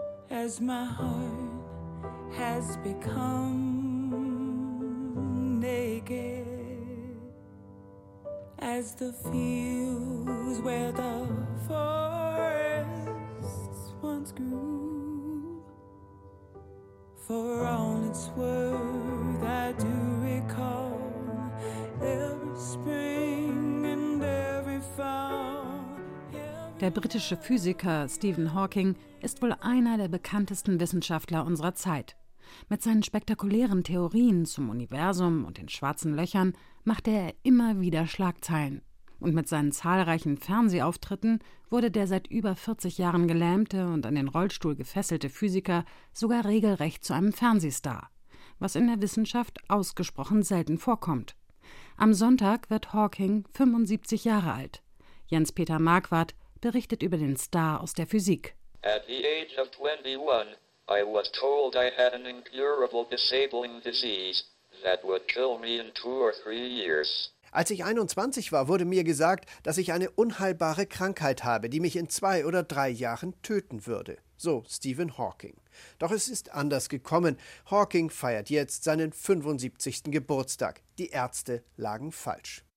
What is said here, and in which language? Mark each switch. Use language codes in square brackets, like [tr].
[en] as my heart has become naked, as the fields where the forests once grew, for all its worth, I do recall every spring and every fall. [de] Der britische Physiker Stephen Hawking ist wohl einer der bekanntesten Wissenschaftler unserer Zeit. Mit seinen spektakulären Theorien zum Universum und den schwarzen Löchern machte er immer wieder Schlagzeilen. Und mit seinen zahlreichen Fernsehauftritten wurde der seit über 40 Jahren gelähmte und an den Rollstuhl gefesselte Physiker sogar regelrecht zu einem Fernsehstar, was in der Wissenschaft ausgesprochen selten vorkommt. Am Sonntag wird Hawking 75 Jahre alt. Jens-Peter Marquardt berichtet über den Star aus der Physik. [en] At the age of 21, I was told I had an incurable disabling disease that would kill me in 2 or 3 years. [de] Als ich 21 war, wurde mir gesagt, dass ich eine unheilbare Krankheit habe, die mich in 2 oder 3 Jahren töten würde. So Stephen Hawking. Doch es ist anders gekommen. Hawking feiert jetzt seinen 75. Geburtstag. Die Ärzte lagen falsch.